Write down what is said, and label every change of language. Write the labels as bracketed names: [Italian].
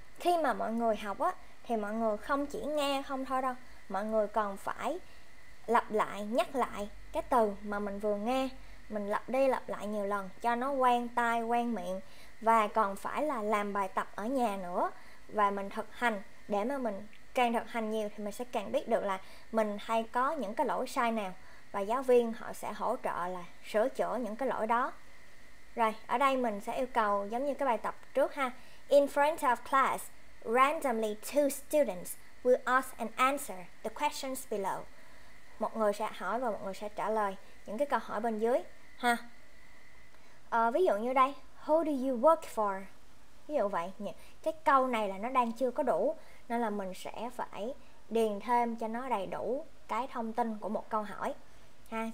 [Vietnamese] Khi mà mọi người học á, thì mọi người không chỉ nghe không thôi đâu, mọi người còn phải lặp lại, nhắc lại cái từ mà mình vừa nghe, mình lặp đi lặp lại nhiều lần cho nó quen tai quen miệng, và còn phải là làm bài tập ở nhà nữa, và mình thực hành. Để mà mình càng thực hành nhiều thì mình sẽ càng biết được là mình hay có những cái lỗi sai nào, và giáo viên họ sẽ hỗ trợ là sửa chữa những cái lỗi đó. Rồi, ở đây mình sẽ yêu cầu giống như cái bài tập trước ha. [English] In front of class, randomly two students will ask and answer the questions below. [Vietnamese] Một người sẽ hỏi và một người sẽ trả lời những cái câu hỏi bên dưới ha. Ví dụ như đây, [English] who do you work for? [Vietnamese] Ví dụ vậy, cái câu này là nó đang chưa có đủ, nên là mình sẽ phải điền thêm cho nó đầy đủ cái thông tin của một câu hỏi ha.